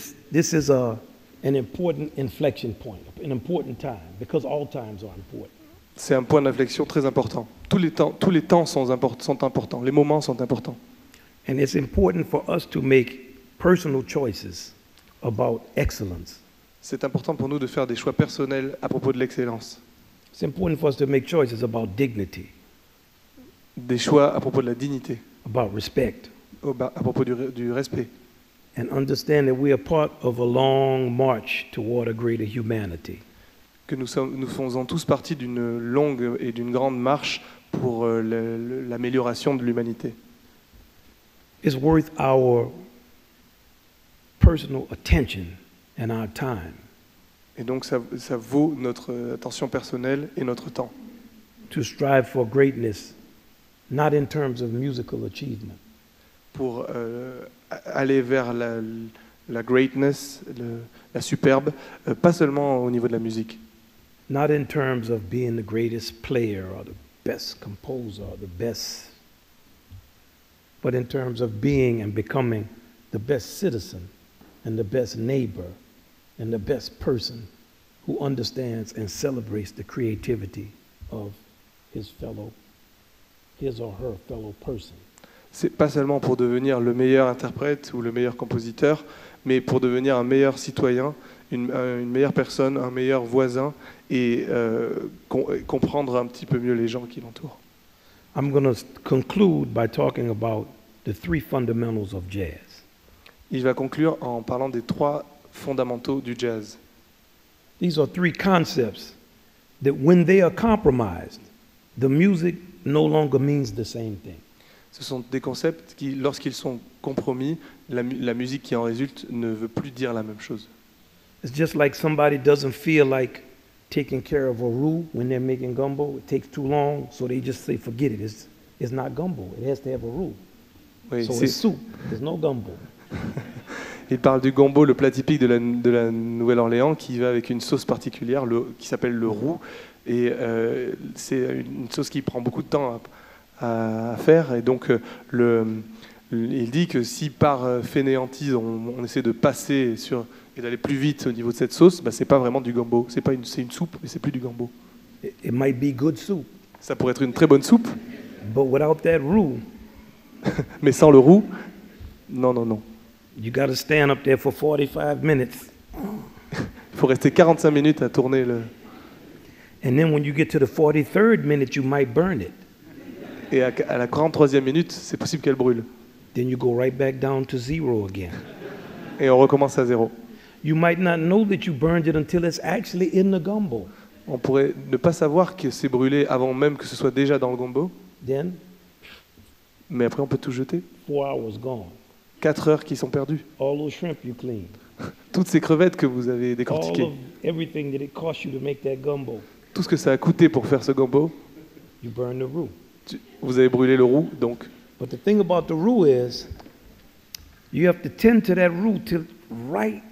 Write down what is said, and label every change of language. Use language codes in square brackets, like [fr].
[en] This is an important inflection point, an important time, because all times are important. [fr] C'est un point d'inflexion très important. Tous les temps sont importants. Les moments sont importants. [en] And it's important for us to make personal choices about excellence. [fr] C'est important pour nous de faire des choix personnels à propos de l'excellence. [en] It's important for us to make choices about dignity. [fr] Des choix à propos de la dignité. [en] About respect. [fr] À propos du respect. [en] And understand that we are part of a long march toward a greater humanity. [fr] Que nous faisons tous partie d'une longue et d'une grande marche pour l'amélioration de l'humanité. [en] It's worth our personal attention and our time. [fr] Et donc ça vaut notre attention personnelle et notre temps. [en] To strive for greatness, not in terms of musical achievement. [fr] Pour aller vers la greatness, la superbe, pas seulement au niveau de la musique. [en] Not in terms of being the greatest player or the best composer or the best, but in terms of being and becoming the best citizen and the best neighbor and the best person who understands and celebrates the creativity of his or her fellow person. [fr] C'est pas seulement pour devenir le meilleur interprète ou le meilleur compositeur, mais pour devenir un meilleur citoyen, une meilleure personne, un meilleur voisin et comprendre un petit peu mieux les gens qui l'entourent. [en] I'm going to conclude by talking about the three fundamentals of jazz. [fr] Il va conclure en parlant des trois fondamentaux du jazz. [en] These are three concepts that when they are compromised, the music no longer means the same thing. [fr] Ce sont des concepts qui, lorsqu'ils sont compromis, la musique qui en résulte ne veut plus dire la même chose. [en] It's just like somebody doesn't feel like taking care of a roux when they're making gumbo. It takes too long, so they just say, forget it. It's not gumbo. It has to have a roux. [fr] Oui, [en] so it's soup. There's no gumbo. [fr] Il parle du gumbo, le plat typique de la Nouvelle-Orléans, qui va avec une sauce particulière, qui s'appelle le roux. Et c'est une sauce qui prend beaucoup de temps à faire. Et donc, il dit que si par fainéantise, on essaie de passer sur... et d'aller plus vite au niveau de cette sauce, ben c'est pas vraiment du gumbo. C'est une soupe, mais c'est plus du gumbo. [en] It might be good soup. [fr] Ça pourrait être une très bonne soupe. [en] But without that roux. [fr] Mais sans le roux, non. [en] You gotta stand up there for 45 minutes. [fr] Il faut rester 45 minutes à tourner le... [en] And then when you get to the 43rd minute, you might burn it. [fr] Et à la 43e minute, c'est possible qu'elle brûle. [en] Then you go right back down to zero again. [fr] Et on recommence à zéro. [en] You might not know that you burned it until it's actually in the gumbo. [fr] On pourrait ne pas savoir que c'est brûlé avant même que ce soit déjà dans le gumbo. [en] Then, [fr] mais après on peut tout jeter. [en] 4 hours gone. [fr] 4 heures qui sont perdues. [en] All those shrimp you cleaned. [fr] Toutes ces crevettes que vous avez décortiquées. [en] All of everything that it cost you to make that gumbo. [fr] Tout ce que ça a coûté pour faire ce gumbo. [en] You burn the roux. [fr] Vous avez brûlé le roux, donc. [en] But the thing about the roux is, you have to tend to that roux till right.